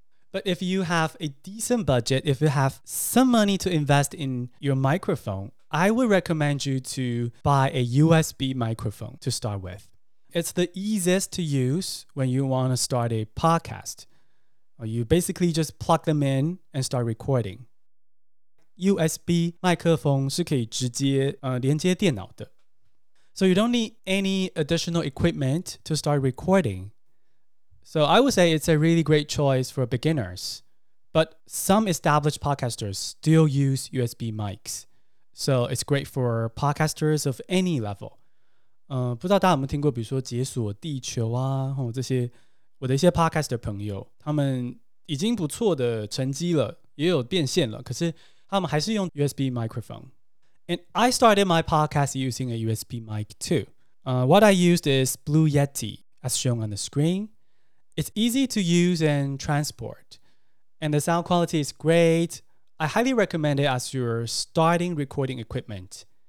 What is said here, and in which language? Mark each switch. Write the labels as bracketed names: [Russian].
[English] But if you have a decent budget, if you have some money to invest in your microphone, I would recommend you to buy a USB microphone to start with. It's the easiest to use when you want to start a podcast. You basically just plug them in and start recording. [Chinese] USB 麦克风是可以直接连接电脑的。 [English] So you don't need any additional equipment to start recording. So I would say it's a really great choice for beginners. But some established podcasters still use USB mics. So it's great for podcasters of any level. [Chinese] 不知道大家有没有听过比如说解锁地球啊这些我的一些 podcaster 朋友他们已经不错的成绩了也有变现了可是他们还是用 USB microphone. [English] And I started my podcast using a USB mic too. What I used is Blue Yeti, as shown on the screen. It's easy to use and transport. And the sound quality is great. I highly recommend it as your starting recording equipment.